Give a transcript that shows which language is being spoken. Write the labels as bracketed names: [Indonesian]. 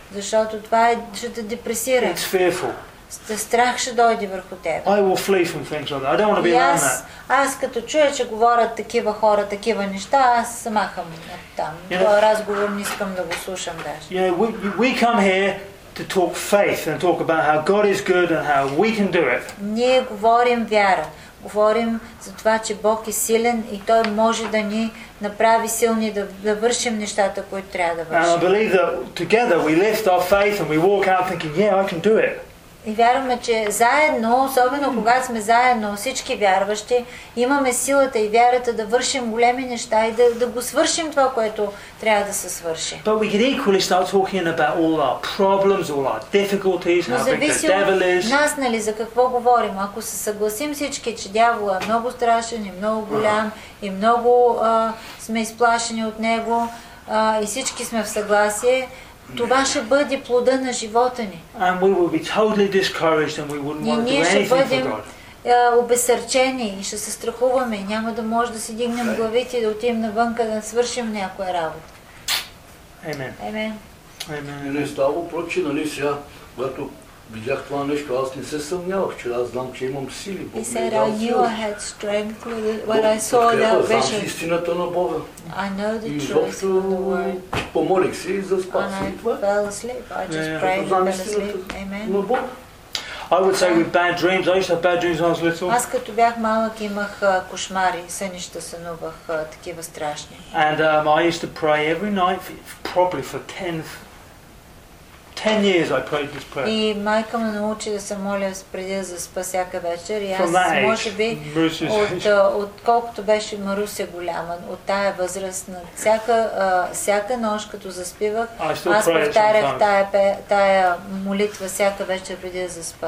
[Bulgarian] Защото това е, ще те депресира. [English] It's fearful. [Bulgarian] Страх ще дойде върху теб. [English] I will flee from things like that. I don't want to be around that. [Bulgarian] Аз като чуя, че говорят такива хора, такива неща, аз се махам от там. Този разговор не искам да го слушам даже. [English] Yeah, we come here to talk faith and talk about how God is good and how we can do it. [Bulgarian] Ние говорим вяра. Говорим за това, че Бог е силен и той може да ни направи силни да вършим нещата, които трябва да вършим. [English] And I believe that together we lift our faith and we walk out thinking, yeah, I can do it. [Bulgarian] И вярваме, че заедно, особено когато сме заедно, всички вярващи, имаме силата и вярата да вършим големи неща и да го свършим това, което трябва да се свърши. [English] But we could equally start talking about all our problems, all our difficulties, how big the devil is. [Bulgarian] Нас, нали, за какво говорим? Ако се съгласим всички, че дяволът е много страшен и много голям и много сме изплашени от него и всички сме в съгласие, това ще бъде плода на живота ни. [English] And we will be totally discouraged and we wouldn't want to do anything for God. [Bulgarian] Обесърчени и ще се страхуваме, няма да може да си дигнем главите и да отидем навън, да свършим някоя работа. Амен. И не става проче, нали сега, когато видях това нещо, аз не се съмнявах, че аз знам, че имам сили. [English] He said, I knew I had strength when I saw that vision. [Bulgarian] Знам истината на Бога. [English] I know the truth of the Lord. [Bulgarian] Помолих се и заспах си. [English] And I fell asleep. I just prayed and fell asleep. Amen. I would say with bad dreams. I used to have bad dreams when I was little. [Bulgarian] Аз като бях малък имах кошмари, сънища сънувах такива страшни. [English] And I used to pray every night, probably for 10 years I prayed this prayer. [Bulgarian] И майка ме научи да се моля преди да заспа всяка вечер и аз може би от колкото беше Маруся голяма, от тая възраст на всяка нощ като заспивах, аз повтарях тая молитва всяка вечер преди да заспа.